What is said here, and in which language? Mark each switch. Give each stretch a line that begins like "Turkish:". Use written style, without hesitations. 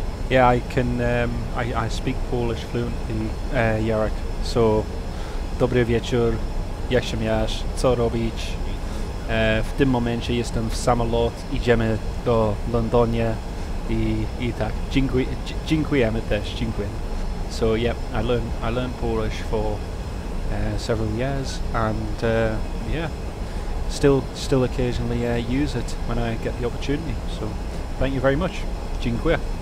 English: Yeah, I can. I speak Polish fluently, Jarek.
Polish: So, dobry wieczór, jak się miasz, co robić? W tym momencie jestem w samolot, idziemy do Londynie i tak. Dziękujemy też, dziękujemy.
English: So, yep, I learned Polish for several years, and yeah, still occasionally use it when I get the opportunity. So, thank you very much.
Polish: Dziękuję.